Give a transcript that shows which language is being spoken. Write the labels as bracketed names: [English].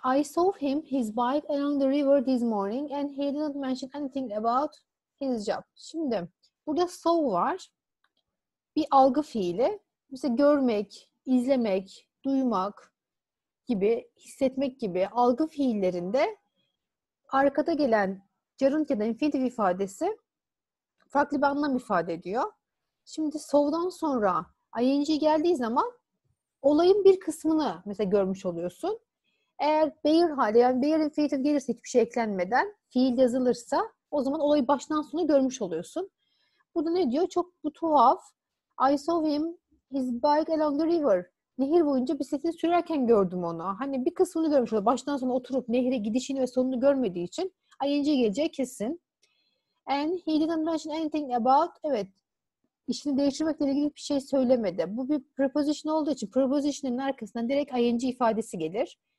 [English] I saw him, his bike along the river this morning and he didn't mention anything about his job. [Turkish] Şimdi burada saw var. Bir algı fiili, mesela görmek, izlemek, duymak gibi, hissetmek gibi algı fiillerinde arkada gelen gerund ya da infinitive ifadesi farklı bir anlam ifade ediyor. Şimdi saw'dan sonra ing geldiği zaman olayın bir kısmını mesela görmüş oluyorsun. Eğer bear hali, yani bear infinitive gelirse hiçbir şey eklenmeden fiil yazılırsa o zaman olayı baştan sona görmüş oluyorsun. Bu da ne diyor? Çok bu tuhaf. [English] I saw him, his bike along the river. [Turkish] Nehir boyunca bisikletini sürerken gördüm onu. Hani bir kısmını görmüş oldu. Baştan sona oturup nehre gidişini ve sonunu görmediği için ing geleceği kesin. [English] And he didn't mention anything about, [Turkish] evet, işini değiştirmekle ilgili bir şey söylemedi. Bu bir preposition olduğu için preposition'ın arkasından direkt ing ifadesi gelir.